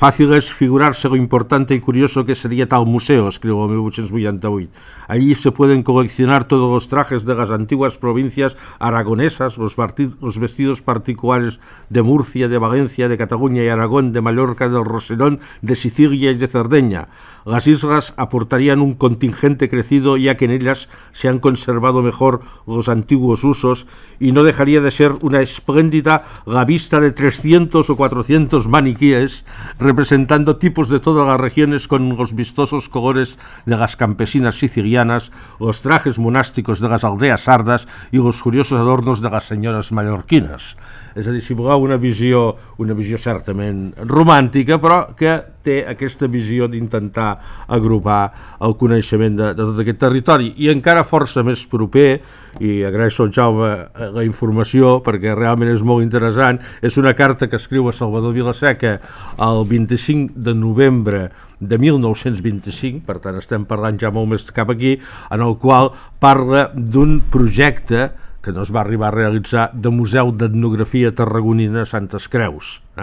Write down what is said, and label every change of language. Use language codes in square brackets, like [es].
[ca] Fàcil és figurar-se [es] lo importante y curioso [ca] que seria tal museu, escriu el 1888. [es] Allí se pueden coleccionar todos los trajes de las antiguas provincias aragonesas, los vestidos particulares de Murcia, de Valencia, de Cataluña y Aragón, de Mallorca, del Rosellón, de Sicilia y de Cerdeña. Las islas aportarían un contingente crecido, ya que en ellas se han conservado mejor los antiguos usos, y no dejaría de ser una espléndida la vista de 300 o 400 maniquíes representando tipos de todas las regiones con los vistosos colores de las campesinas sicilianas, los trajes monásticos de las aldeas sardas y los curiosos adornos de las señoras mallorquinas. [ca] És a dir, si voleu una visió certament romàntica, però que té aquesta visió d'intentar agrupar el coneixement de tot aquest territori. I encara força més proper, i agraeixo al Jaume la informació perquè realment és molt interessant, és una carta que escriu a Salvador Vilaseca el 25 de novembre de 1925, per tant estem parlant ja molt més cap aquí, en el qual parla d'un projecte que no es va arribar a realitzar, de Museu d'Etnografia Tarragonina Santes Creus.